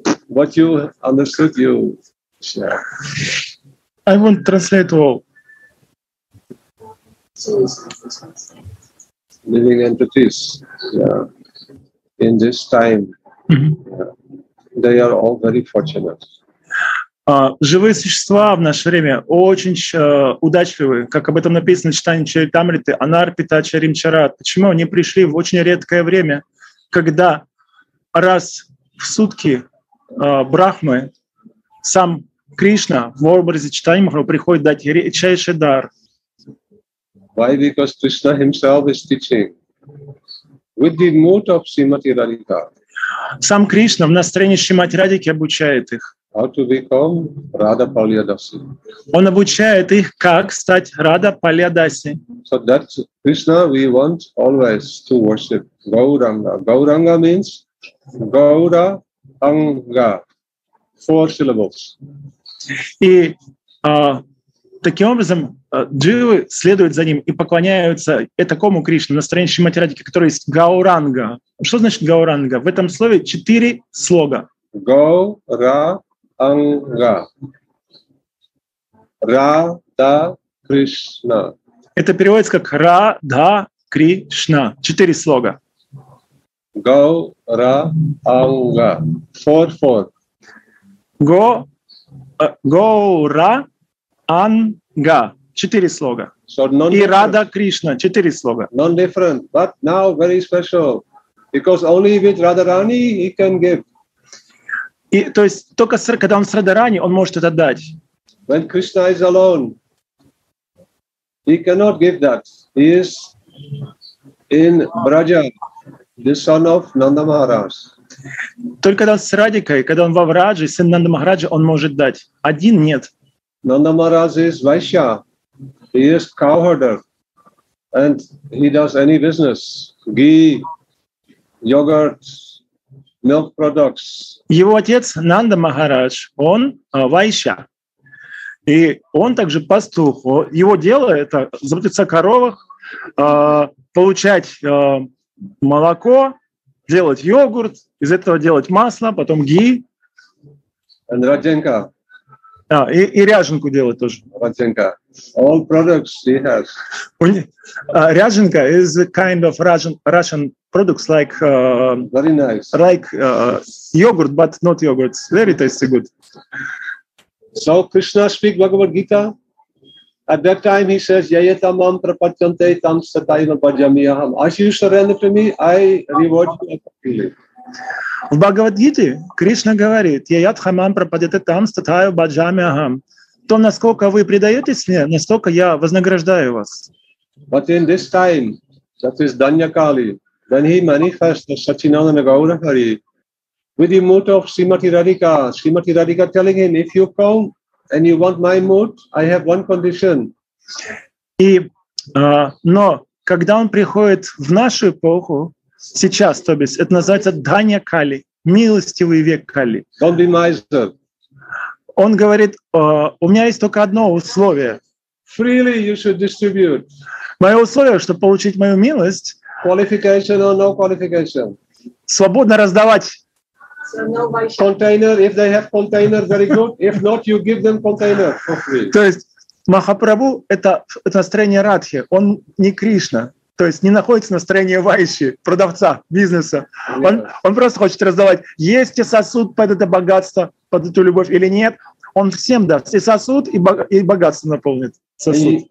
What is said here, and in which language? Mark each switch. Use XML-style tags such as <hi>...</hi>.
<en>What you understood, you I won't translate all. Living entities, yeah, in this time, mm-hmm. yeah, they are all very fortunate.</en> <ru>Живые существа в наше время очень удачливы, как об этом написано в читании Чаритамриты, Анарпита Чаримчарат. Почему? Они пришли в очень редкое время, когда раз в сутки Брахмы, сам Кришна в образе Чайтанья Махапрабху приходит дать редчайший дар.</ru> <en>Why? Because Krishna himself is teaching with the mood of Srimati Radhika.</en> <ru>Сам Кришна в настроении Шримати Радики обучает их.</ru> <en>How to become Radha Palyadasi.</en> <ru>Он обучает их, как стать Радха Палиадаси.</ru> <en>So that Krishna we want always to worship Gauranga. Gauranga means Gaura Anga, four syllables.</en> <ru>И таким образом дживы следуют за ним и поклоняются этакому Кришне, настроящему Матери Радике, который есть Гауранга. Что значит Гауранга? В этом слове четыре слога. Гаура Анга. Радха Кришна. Это переводится как Радха Кришна. Четыре слога. Гаура Анга.</ru> <en>Four.</en> <ru>Гаура Анга. Четыре слога.</ru> <en>So</en> <ru>и Радха Кришна. Четыре слога.</ru> <en>Non-different, but now very special, because only with Radharani he can give.</en> <ru>И, то есть только когда он с Радарани, он может это дать.</ru> <en>When Krishna is alone, he cannot give that. He is in Braja, the son of Nanda Maharaj.</en> <ru>Только когда он с Радикой, когда он во Враджи, сын Нанда Махараджа, он может дать. Один нет.</ru> <en>Nanda Maharaj is Vaishya. He is cowherder. And he does any business. Ghee, yogurt, milk products.</en> <ru>Его отец Нанда Махарадж, он вайша. И он также пастух. Его дело — это заботиться о коровах, получать молоко, делать йогурт, из этого делать масло, потом ги.</ru> <en>And Radhenka.</en> <ru>А, и ряженку делать тоже.</ru> <en>Radhenka. All products he has. Ряженка is a kind of Russian products like very nice. Like yogurt, but not yogurt. Very tasty, good. So Krishna speaks Bhagavad Gita. At that time he says, Yayata mam prapachyante tam sataiva bhajami aham. As you surrender to me, I reward you accordingly.</en> <ru>В Бхагавад-гите Кришна говорит: «Яятха мам пропадете там, статаю баджами агам». То, насколько вы предаетесь мне, настолько я вознаграждаю вас.</ru> <en>But in this time, that is Danyakali, when he manifests Sachinanda Gaura Hari with the mood of Srimati Radhika, Srimati Radhika telling him, if you come and you want my mood, I have one condition.</en> <ru>И, но когда он приходит в нашу эпоху, сейчас, то бишь, это называется Данья Кали, милостивый век Кали.</ru> <en>Don't be miser.</en> <ru>Он говорит, у меня есть только одно условие.</ru> <en>Freely you should distribute.</en> <ru>Мое условие, чтобы получить мою милость,</ru> <en>qualification or no qualification.</en> <ru>Свободно раздавать</ru> <en>Container, if they have container, very good. If not, you give them container for free.</en> <ru>То есть Махапрабху — это настроение Радхи, он не Кришна, то есть не находится в настроении Вайши, продавца, бизнеса. Он просто хочет раздавать, есть ли сосуд под это богатство, под эту любовь или нет. Он всем даст и сосуд, и богатство наполнит сосуд.</ru>